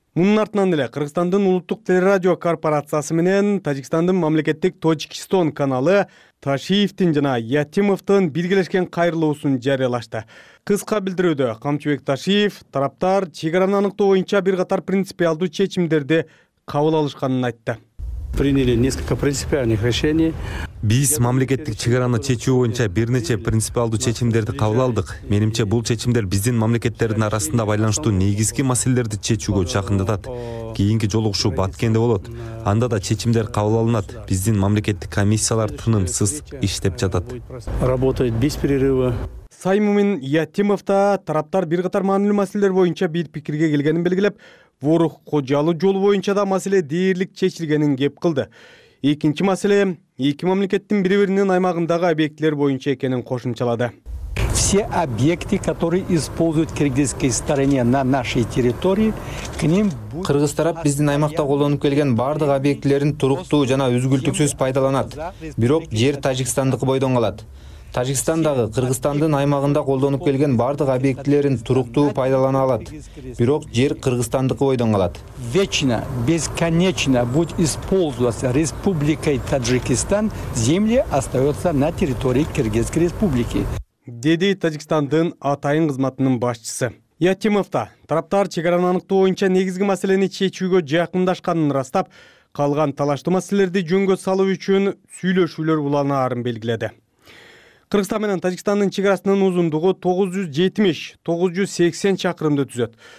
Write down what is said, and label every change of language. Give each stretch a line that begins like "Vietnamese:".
Kyrgyz: Мунун артынан эле Кыргызстандын улуттук телерадио корпорациясы менен Тажикстандын мамлекеттик Тожикистон каналы Ташиевтин жана Ятимовтун биргелешкен кайрылуусун жарыялашты. Кыска билдирүүдө Камчыбек Ташиев тараптар чек араны аныктоо боюнча бир катар принципиалдуу чечимдерди кабыл алышканын айтты.
Russian: Приняли несколько принципиальных решений.
Kyrgyz: Биз мамлекеттик чек араны чечүү боюнча бир нече принципиалдуу чечимдерди кабыл алдык. Менимче бул чечимдер биздин мамлекеттердин арасында байланыштуу негизги маселелерди чечүүгө жакындатат. Кийинки жолугушуу Баткенде болот. Анда да чечимдер кабыл алынат. Биздин мамлекеттик комиссиялар тынымсыз иштеп жатат.
Russian: Работает без перерыва.
Kyrgyz: Саймомин Ятимов да тараптар бир катар маанилүү маселелер боюнча бир пикирге келгенин белгилеп, Ворух Кожалы жолу боюнча да маселе дээрлик чечилгенин кеп кылды. Экинчи маселе эки мамлекеттин бири биринин аймагындагы объектилер боюнча экенин кошумчалады.
Russian: Все объекты, которые используют кыргызской стороне на нашей территории, к ним будут...
Kyrgyz: Кыргыз тарап биздин аймакта колдонуп келген бардык объектилерин туруктуу жана үзгүлтүксүз пайдаланат. Бирок жер Тажикстандыкы бойдон калат. Тажикстандагы Кыргызстандын аймагында колдонуп келген бардык объектилерин туруктуу пайдалана алат. Бирок жер Кыргызстандыкы бойдон калат.
Russian: Вечно, бесконечно будет использоваться Республикой Таджикистан, земли остаются на территории Кыргызской Республики.
Kyrgyz: Деди Тажикстандын атайын кызматынын башчысы. Ятимов да тараптар чек араны аныктоо боюнча негизги маселени чечүүгө жакындашканын ырастап, калган талаштуу маселелерди жөнгө салуу үчүн сүйлөшүүлөр улан арын белгиледи. Кыргызстан менен Тажикстандын чек арасынын узундугу 970-980 чакырымды түзөт.